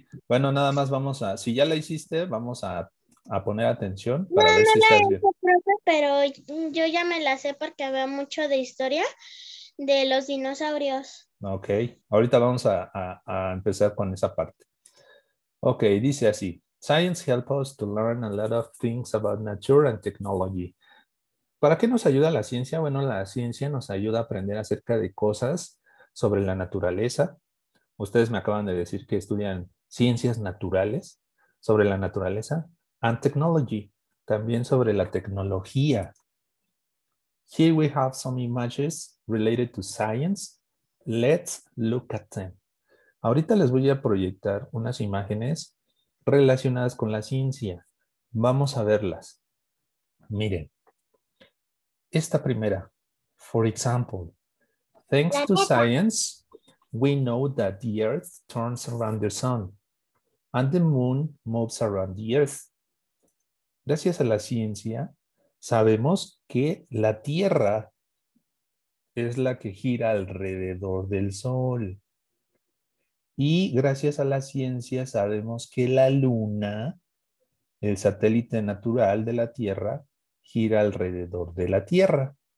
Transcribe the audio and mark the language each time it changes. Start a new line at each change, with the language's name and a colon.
Spanish: Bueno, nada más vamos a, si ya la hiciste, vamos a poner atención. Para no, ver no si la hice, profe, pero yo ya me la sé porque había mucho de historia de los dinosaurios. Ok, ahorita vamos a empezar con esa parte. Ok, dice así.
English: Science helps us to learn a lot of things about nature and technology.
Spanish: ¿Para qué nos ayuda la ciencia? Bueno, la ciencia nos ayuda a aprender acerca de cosas sobre la naturaleza. Ustedes me acaban de decir que estudian ciencias naturales, sobre la naturaleza,
English: and technology,
Spanish: también sobre la tecnología.
English: Here we have some images related to science. Let's look at them.
Spanish: Ahorita les voy a proyectar unas imágenes relacionadas con la ciencia. Vamos a verlas. Miren, esta primera,
English: for example, thanks to science, we know that the Earth turns around the sun and the moon moves around the Earth.
Spanish: Gracias a la ciencia, sabemos que la Tierra es la que gira alrededor del Sol. Y gracias a la ciencia, sabemos que la Luna, el satélite natural de la Tierra, gira alrededor de la Tierra.